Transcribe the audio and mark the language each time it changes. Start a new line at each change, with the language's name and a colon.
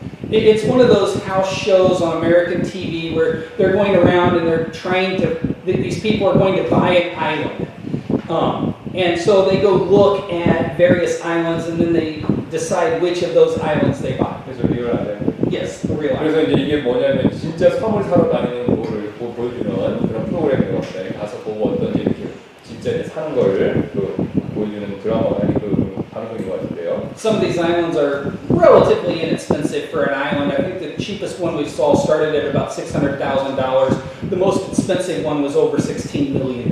English: It's one of those house shows on American TV where they're going around and they're trying to, these people are going to buy an island. And so they go look at various islands and then they decide which of those islands they buy. Is it real island? Yes, the real island.
Korean: 그래서 이제 이게 뭐냐면 진짜 섬을 사러 다니는 거를 보여주는 그런 프로그램인 것 같아요. 가서 보고 어떤 이렇게 진짜 이제 사는 거를 그 보여주는 드라마가 아닌 그 방송인 것 같은데요.
English: Some of these islands are relatively inexpensive for an island. I think the cheapest one we saw started at about $600,000. The most expensive one was over $16 million.